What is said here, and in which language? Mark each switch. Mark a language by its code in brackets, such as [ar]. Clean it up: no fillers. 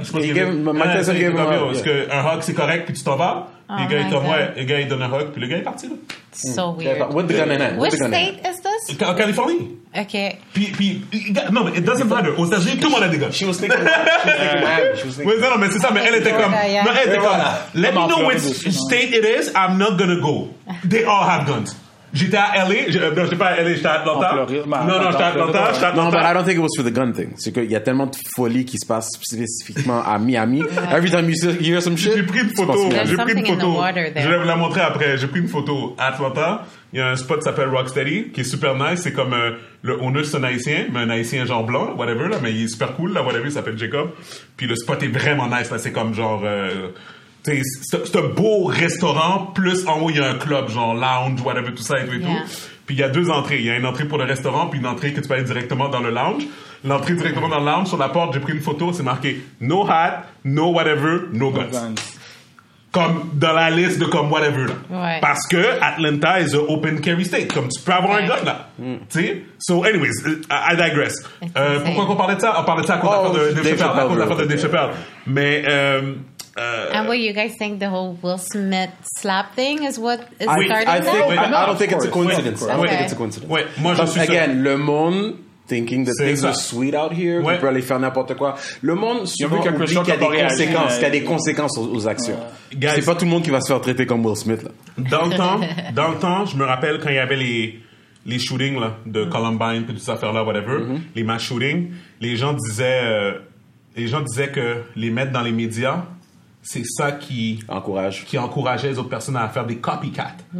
[fr] Est-ce qu'un hug, c'est correct, puis tu t'en vas? Puis le gars, il donne un hug, puis le gars est parti. [en] So weird. What's the gun in it? Which state is this? [fr] En Californie. [en] OK. [fr] Puis, non, mais [en] it doesn't matter. [fr] Aux États-Unis, tout le monde a des gars. [en] She was thinking that. [fr] Non, mais c'est ça, mais elle était comme... Non, elle était comme... [en] Let me know which state it is, I'm not gonna go. They all have guns. [fr] J'étais à LA. Non, j'étais pas à LA, j'étais à Atlanta. Non, j'étais à Atlanta. [en] Non, but I don't think it was for the gun thing. [fr] C'est qu'il y a tellement de folie qui se passe spécifiquement à Miami. [en] Every time you hear some shit... [fr] J'ai pris une photo. Je vais vous la montrer après. J'ai pris une photo à Atlanta. Il y a un spot qui s'appelle Rocksteady, qui est super nice. C'est comme le owner, c'est un haïtien, mais un haïtien genre blanc, whatever, là. Mais il est super cool, là, whatever, il s'appelle Jacob. Puis le spot est vraiment nice, là. C'est comme genre... c'est un beau restaurant, plus en haut, il y a un club, genre lounge, whatever, tout ça et tout et tout. Puis il y a deux entrées. Il y a une entrée pour le restaurant, puis une entrée que tu peux aller directement dans le lounge. L'entrée directement dans le lounge, sur la porte, j'ai pris une photo, c'est marqué « [en] No hat, no whatever, no guns ». [fr] Comme dans la liste de comme whatever. Là. Ouais. Parce que Atlanta [en] is an open carry state. [fr] Comme tu peux avoir un gun là. Mm. Tu sais? [en] So, anyways, I digress. [fr] Pourquoi qu'on parlait de ça? On parlait de ça à cause de Dave Chappelle. Mais. [en] And what you guys think the whole Will Smith slap thing is what is starting to happen? I don't think it's a coincidence. [fr] Wait, moi je suis [en] again, [fr] sûr. Le monde. [en] Thinking that things are sweet out here, ouais. [fr] On peut aller faire n'importe quoi. Le monde souvent dit qu'il y a des conséquences, qu'il y a des conséquences aux actions. Guys, c'est pas tout le monde qui va se faire traiter comme Will Smith là. Dans le temps, je me rappelle quand il y avait les shootings là de Columbine et toutes ces affaires là, whatever, les mass shootings, les gens disaient que les mettre dans les médias, c'est ça qui encourageait les autres personnes à faire des copycat,